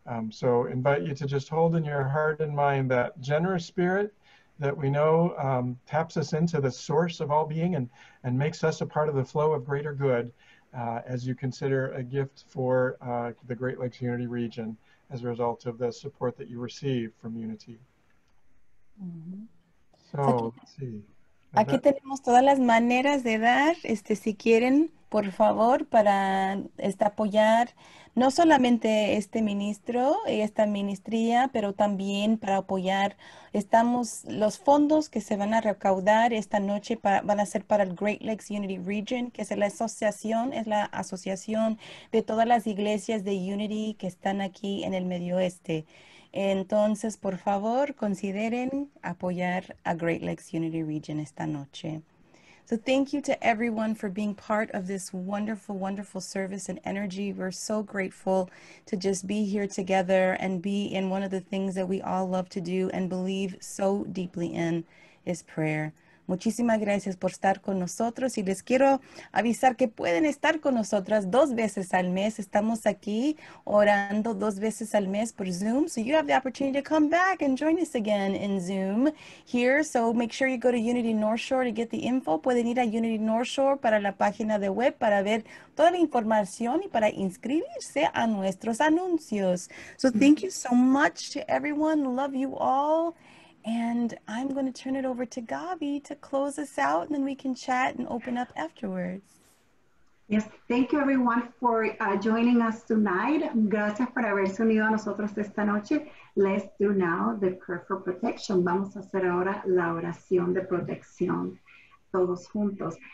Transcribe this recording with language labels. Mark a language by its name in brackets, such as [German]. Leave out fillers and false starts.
[English] So invite you to just hold in your heart and mind that generous spirit that we know taps us into the source of all being and makes us a part of the flow of greater good as you consider a gift for the Great Lakes Unity Region as a result of the support that you receive from Unity. So let's see. I [Spanish] Aquí [English] bet. [Spanish] tenemos todas las maneras de dar, si quieren, por favor, para apoyar no solamente este ministro y esta ministría, pero también para apoyar. Los fondos que se van a recaudar esta noche van a ser para el Great Lakes Unity Region, que es la asociación de todas las iglesias de Unity que están aquí en el Medio Oeste. Entonces, por favor, consideren apoyar a Great Lakes Unity Region esta noche. [English] So thank you to everyone for being part of this wonderful, wonderful service and energy. We're so grateful to just be here together and be in one of the things that we all love to do and believe so deeply in is prayer. [Spanish] Muchísimas gracias por estar con nosotros y les quiero avisar que pueden estar con nosotras dos veces al mes. Estamos aquí orando dos veces al mes por Zoom. [English] So you have the opportunity to come back and join us again in Zoom here. So make sure you go to Unity North Shore to get the info. [Spanish] Pueden ir a Unity North Shore para la página de web para ver toda la información y para inscribirse a nuestros anuncios. [English] So thank you so much to everyone. Love you all. And I'm going to turn it over to Gavi to close us out, and then we can chat and open up afterwards. Yes, thank you everyone for joining us tonight. [Spanish] Gracias por haberse unido a nosotros esta noche. Let's do now the prayer for protection. Vamos a hacer ahora la oración de protección todos juntos.